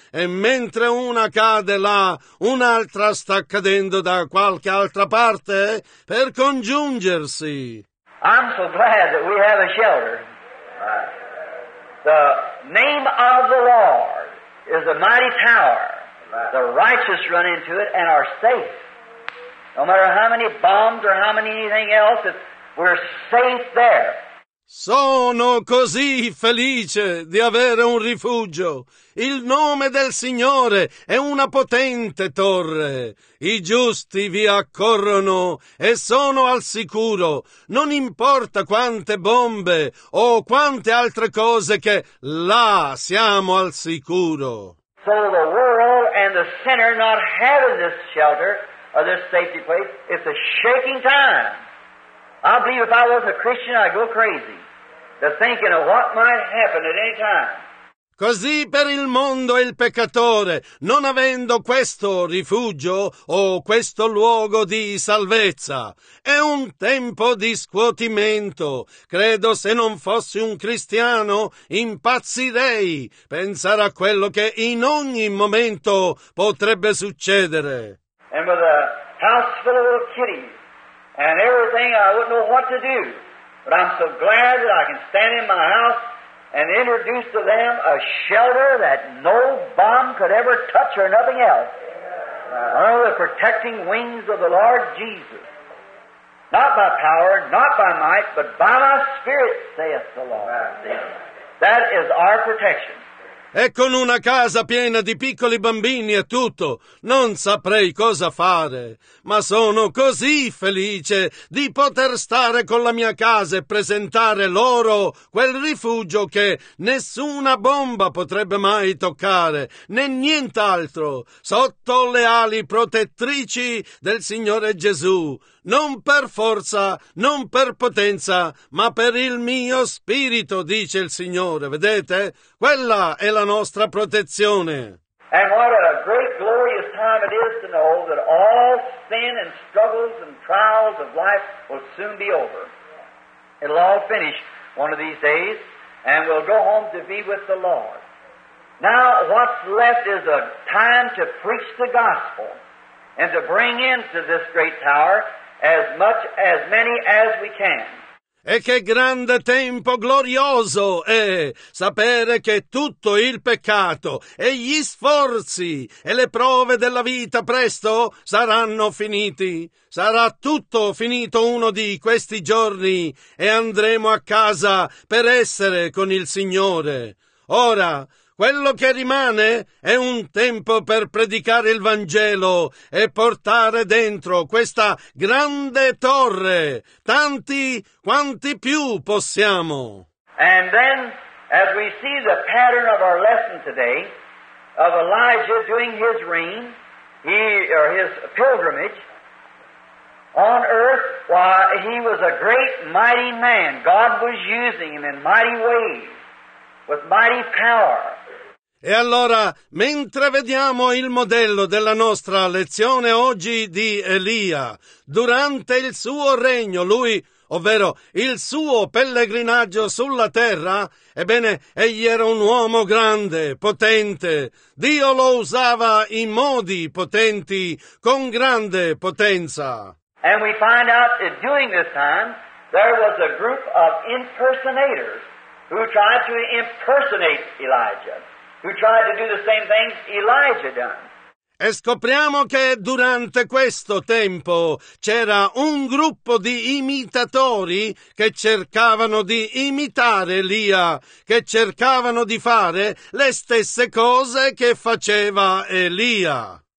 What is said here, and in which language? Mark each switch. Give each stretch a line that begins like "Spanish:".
Italian: E mentre una cade là, un'altra sta cadendo da qualche altra parte per congiungersi.
English: I'm so glad that we have a shelter. The name of the Lord is a mighty tower. The righteous run into it and are safe. No matter how many bombs or how many anything else, we're safe there.
Italian: Sono così felice di avere un rifugio. Il nome del Signore è una potente torre. I giusti vi accorrono e sono al sicuro. Non importa quante bombe o quante altre cose che là siamo al sicuro.
English: So the world and the sinner not having this shelter or this safety place, it's a shaking time. I believe if I was a Christian, I'd go crazy. The thinking of what might happen at any time.
Italian: Così per il mondo e il peccatore, non avendo questo rifugio o questo luogo di salvezza. È un tempo di scuotimento. Credo se non fossi un cristiano, impazzirei pensare a quello che in ogni momento potrebbe succedere.
English: And with a house full of little kitties and everything, I wouldn't know what to do. But I'm so glad that I can stand in my house and introduce to them a shelter that no bomb could ever touch or nothing else. Under the protecting wings of the Lord Jesus. Not by power, not by might, but by my spirit, saith the Lord. That is our protection.
Italian: E con una casa piena di piccoli bambini e tutto, non saprei cosa fare. Ma sono così felice di poter stare con la mia casa e presentare loro quel rifugio che nessuna bomba potrebbe mai toccare, né nient'altro, sotto le ali protettrici del Signore Gesù. Non per forza, non per potenza, ma per il mio spirito, dice il Signore. Vedete? Quella è la nostra protezione.
English: And what a great glorious time it is to know that all sin and struggles and trials of life will soon be over. It'll all finish one of these days, and we'll go home to be with the Lord. Now what's left is a time to preach the gospel and to bring into this great tower as much as many as we can.
Italian: E che grande tempo glorioso è sapere che tutto il peccato e gli sforzi e le prove della vita presto saranno finiti. Sarà tutto finito uno di questi giorni e andremo a casa per essere con il Signore. Ora, quello che rimane è un tempo per predicare il Vangelo e portare dentro questa grande torre tanti quanti più possiamo.
English: And then, as we see the pattern of our lesson today, of Elijah doing his reign, his pilgrimage on earth, while he was a great mighty man, God was using him in mighty ways, with mighty power.
Italian: E allora, mentre vediamo il modello della nostra lezione oggi di Elia, durante il suo regno, lui, ovvero il suo pellegrinaggio sulla terra, ebbene, egli era un uomo grande, potente. Dio lo usava in modi potenti, con grande potenza.
English: And we find out that during this time, there was a group of impersonators who tried to impersonate Elijah. Who tried to do the same things Elijah done.
Italian: E scopriamo che durante questo tempo c'era un gruppo di imitatori che cercavano di imitare Elia, che cercavano di fare le stesse cose che faceva Elia.